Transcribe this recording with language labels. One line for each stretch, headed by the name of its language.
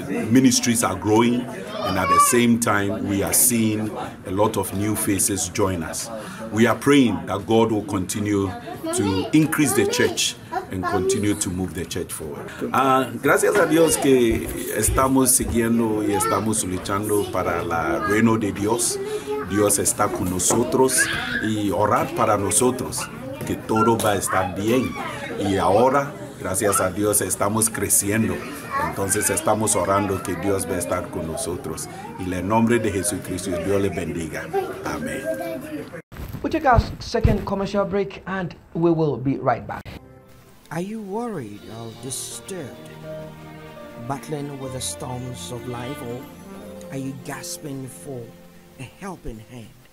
English: Ministries are growing, and at the same time, we are seeing a lot of new faces join us. We are praying that God will continue to increase the church and continue to move the church forward.
Spanish: Gracias a Dios que estamos siguiendo y estamos luchando para la reino de Dios. Dios está con nosotros y orar para nosotros que todo va a estar bien. Y ahora, gracias a Dios, estamos creciendo. Entonces estamos orando que Dios va a estar con nosotros. Y en el nombre de Jesucristo, Dios le bendiga. Amén.
English: We'll take our second commercial break and we will be right back. Are you worried or disturbed, battling with the storms of life, or are you gasping for a helping hand?